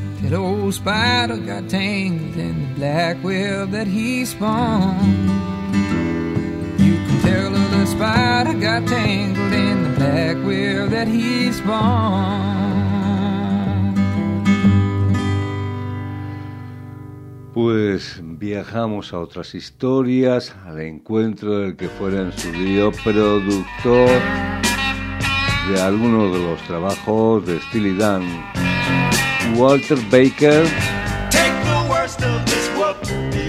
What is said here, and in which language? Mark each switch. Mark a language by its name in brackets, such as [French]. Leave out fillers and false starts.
[English] That old spider got tangled in the black web that he spun. You can tell her the spider got tangled in the black web that he spun. [Spanish] Pues viajamos a otras historias, al encuentro del que fuera en su día productor de algunos de los trabajos de Steely Dan, Walter Baker. [English] Take the worst of this world.